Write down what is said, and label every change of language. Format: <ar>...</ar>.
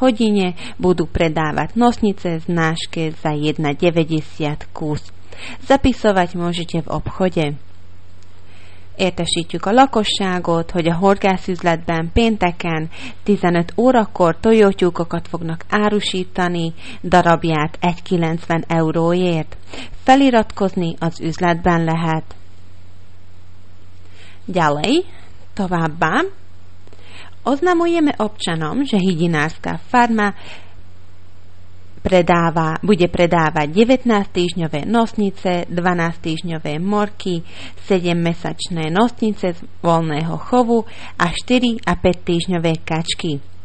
<sk>hodine budú predávať nosnice z nášky za 1,90 kus. Zapisovať môžete v obchode.</sk> <hu>Értesítjük a lakosságot, hogy a horgászüzletben pénteken 15 órakor tojótyúkokat fognak árusítani darabját 1,90 euróért. Feliratkozni az üzletben lehet.</hu> <sk>Ďalej,</sk> <hu>továbbá,</hu> <sk>oznamujeme občanom, že hydinárska farma bude predávať 19-týždňové nosnice, 12-týždňové morky, 7-mesačné nosnice z voľného chovu a 4- a 5-týždňové kačky.</sk>